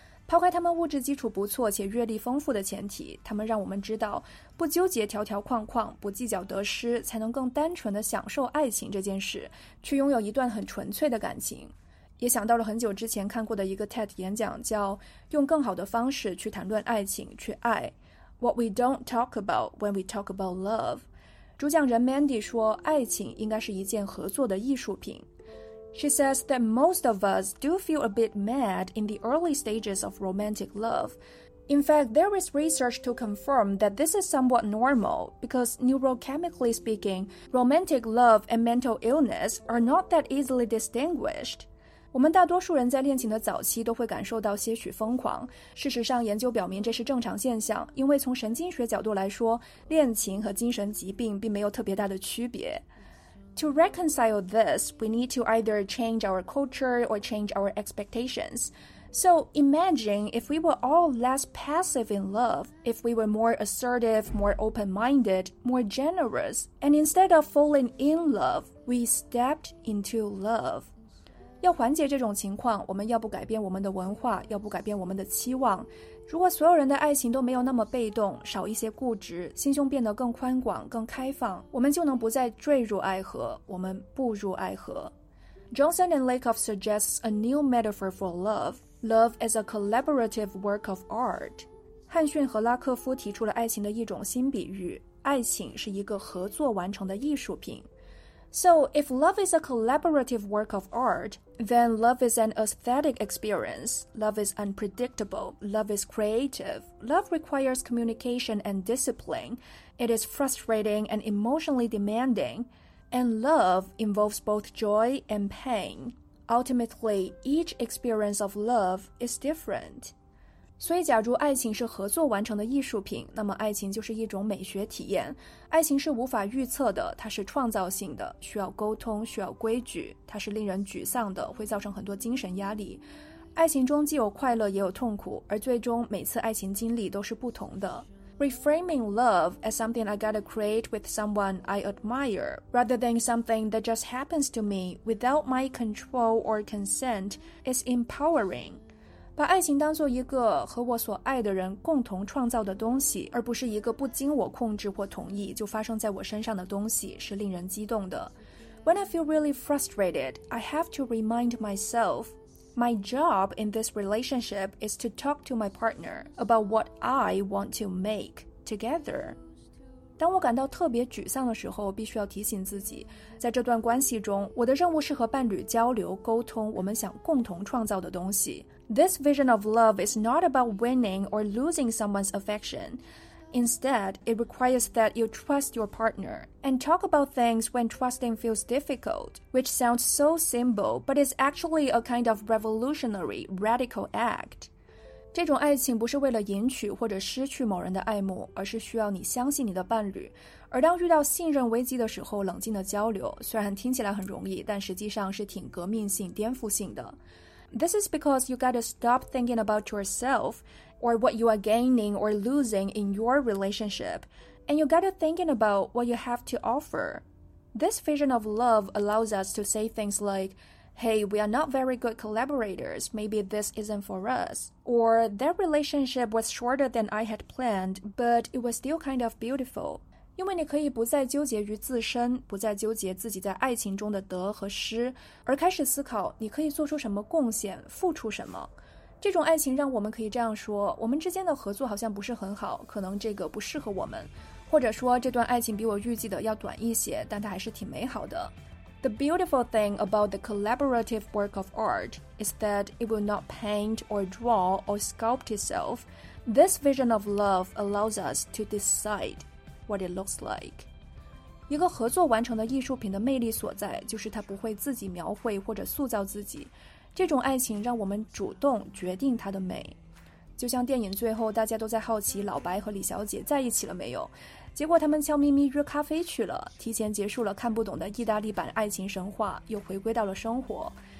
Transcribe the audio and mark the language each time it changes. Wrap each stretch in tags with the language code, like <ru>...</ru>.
<zh>抛开他们物质基础不错且阅历丰富的前提，他们让我们知道不纠结条条框框，不计较得失，才能更单纯地享受爱情这件事，去拥有一段很纯粹的感情。也想到了很久之前看过的一个 TED 演讲，叫用更好的方式去谈论爱情，去爱。</zh> <en>What we don't talk about when we talk about love.</en> <zh>主讲人 Mandy 说，爱情应该是一件合作的艺术品。</zh> <en>She says that most of us do feel a bit mad in the early stages of romantic love. In fact, there is research to confirm that this is somewhat normal because neurochemically speaking, romantic love and mental illness are not that easily distinguished.</en> <zh>我们大多数人在恋情的早期都会感受到些许疯狂。事实上，研究表明这是正常现象，因为从神经学角度来说，恋情和精神疾病并没有特别大的区别。</zh> <en>To reconcile this, we need to either change our culture or change our expectations. So imagine if we were all less passive in love, if we were more assertive, more open-minded, more generous, and instead of falling in love, we stepped into love.</en> <zh>要缓解这种情况，我们要不改变我们的文化，要不改变我们的期望。如果所有人的爱情都没有那么被动，少一些固执，心胸变得更宽广、更开放，我们就能不再坠入爱河，我们步入爱河。</zh> <en>Johnson and Lakoff suggests a new metaphor for love, love as a collaborative work of art.</en> <zh>汉逊和拉克夫提出了爱情的一种新比喻，爱情是一个合作完成的艺术品。</zh> <en>So, if love is a collaborative work of art, then love is an aesthetic experience. Love is unpredictable. Love is creative. Love requires communication and discipline. It is frustrating and emotionally demanding. And love involves both joy and pain. Ultimately, each experience of love is different.</en> <zh>所以假如爱情是合作完成的艺术品，那么爱情就是一种美学体验。爱情是无法预测的，它是创造性的，需要沟通，需要规矩，它是令人沮丧的，会造成很多精神压力。爱情中既有快乐也有痛苦，而最终每次爱情经历都是不同的。</zh> <en>Reframing love as something I gotta create with someone I admire rather than something that just happens to me without my control or consent is empowering.</en> <zh>把爱情当作一个和我所爱的人共同创造的东西，而不是一个不经我控制或同意就发生在我身上的东西，是令人激动的。</zh> <en>When I feel really frustrated, I have to remind myself, My job in this relationship is to talk to my partner about what I want to make together.</en> <zh>当我感到特别沮丧的时候，必须要提醒自己，在这段关系中，我的任务是和伴侣交流、沟通我们想共同创造的东西。</zh> <en>This vision of love is not about winning or losing someone's affection. Instead, it requires that you trust your partner and talk about things when trusting feels difficult, which sounds so simple, but is actually a kind of revolutionary, radical act.</en> <zh>这种爱情不是为了赢取或者失去某人的爱慕，而是需要你相信你的伴侣。而当遇到信任危机的时候，冷静的交流，虽然听起来很容易，但实际上是挺革命性、颠覆性的。</zh> <en>This is because you gotta stop thinking about yourself or what you are gaining or losing in your relationship, and you gotta thinking about what you have to offer. This vision of love allows us to say things like,Hey, we are not very good collaborators. Maybe this isn't for us. Or that relationship was shorter than I had planned, but it was still kind of beautiful.</en> <zh>因为你可以不再纠结于自身，不再纠结自己在爱情中的得和失，而开始思考你可以做出什么贡献，付出什么。这种爱情让我们可以这样说，我们之间的合作好像不是很好，可能这个不适合我们。或者说这段爱情比我预计的要短一些，但它还是挺美好的。</zh> <en>The beautiful thing about the collaborative work of art is that it will not paint or draw or sculpt itself. This vision of love allows us to decide what it looks like.</en> <zh>一个合作完成的艺术品的魅力所在就是它不会自己描绘或者塑造自己。这种爱情让我们主动决定它的美。就像电影最后大家都在好奇老白和李小姐在一起了没有。结果他们悄咪咪约咖啡去了，提前结束了看不懂的意大利版爱情神话，又回归到了生活。</zh>